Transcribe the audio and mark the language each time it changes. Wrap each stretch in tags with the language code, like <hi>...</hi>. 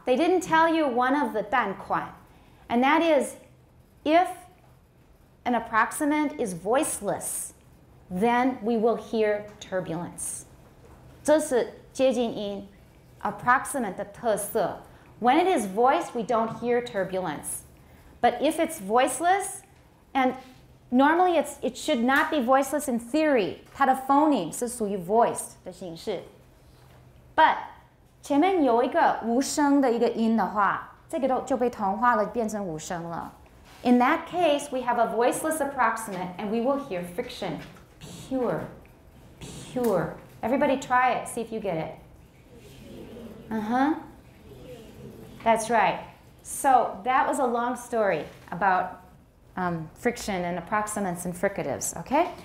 <en>They didn't tell you one of the</en> <zh>但款,</zh> <en>and that is, if an approximant is voiceless, then we will hear turbulence.</en> <zh>这是接近音, approximant 的特色.</zh> <en>When it is voiced, we don't hear turbulence. But if it's voiceless, and normally it should not be voiceless in theory.</en> <zh>它的phoneme是属于 voiced的形式.</zh> <en>But</en> <zh>前面有一个无声的一个音的话, 这个就被同化了,变成无声了.</zh> <en>In that case, we have a voiceless approximant, and we will hear friction. Pure. Pure. Everybody try it, see if you get it. Uh-huh. That's right. So that was a long story about friction and approximants and fricatives, okay?</en>